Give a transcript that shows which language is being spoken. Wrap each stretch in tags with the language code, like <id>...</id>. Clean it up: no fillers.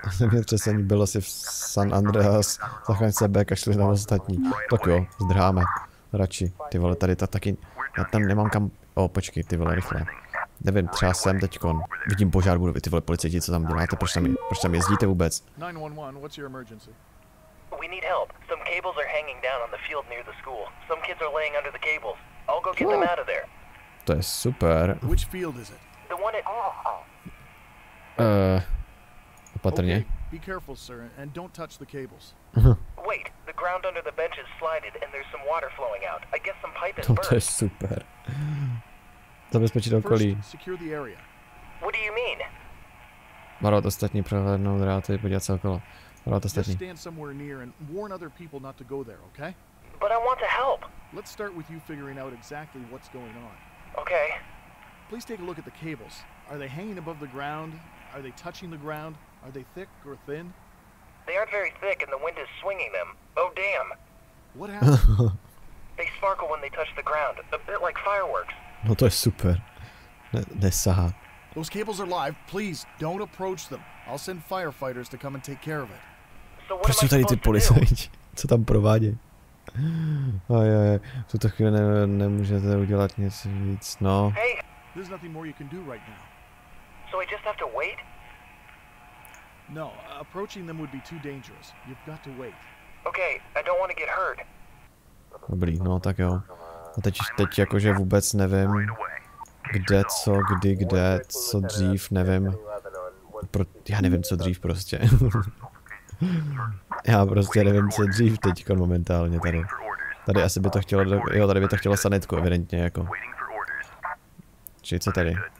<cs>Mě přesně bylo si v San Andreas, zachraňte sebe, kašli tam ostatní. Tak jo, zdrháme. Radši. Ty vole, tady ta taky, já tam nemám kam, o, počkej, ty vole, rychle. Nevím, třeba jsem teďkon. Vidím požár budovy, ty vole policajti, co tam děláte, proč tam jezdíte vůbec?</cs> <en>911, what's your emergency? We need help. Some cables are hanging down on the field near the school. Some kids are laying under the cables. I'll go get them out of there.</en> <cs>To je super.</cs> <en>Which field is it? The one at...</en> <cs>opatrně. Okay.</cs> <en>Be careful, sir, and don't touch the cables. Wait, the ground under the bench is slided and there's some water flowing out. I guess some pipe is burst.</en> <cs>To je super. Zabezpečit okolí.</cs> <en>What do you mean?</en> <cs>Varovat ostatní, prohlédnout dráty, podívat se okolo. Varovat ostatní.</cs> <en>Stand somewhere near and warn other people not to go there, okay? But I want to help. Let's start with you figuring out exactly what's going on. Okay. Please take a look at the cables. Are they hanging above the ground? Are they touching the ground? Are they thick or thin? They aren't very thick and the wind is swinging them. Oh damn. What happened? They sparkle when they touch the ground, a bit like fireworks.</en> <cs>No to je super. Nesahá.</cs> <en>Those cables are live. Please don't approach them. I'll send firefighters to come and take care of it.</en> <cs>Proč jsou tady ty policajti? Co tam provádí? Ajajaj. V tuto chvíli nemůžete udělat nic víc. No.</cs> <en>Hey, there's nothing more you can do right now. So I just have to wait? No, approaching them would be too dangerous. You've got to wait. Okay, I don't want to get hurt.</en> <cs>Dobrý, no tak jo. A teď jakože vůbec nevím, kde, co, kdy, kde, co dřív, nevím. Já nevím, co dřív prostě. Já prostě nevím, co dřív teď momentálně tady. Tady asi by to chtělo, jo, tady by to chtělo sanitku, evidentně, jako. Čili co tady?</cs>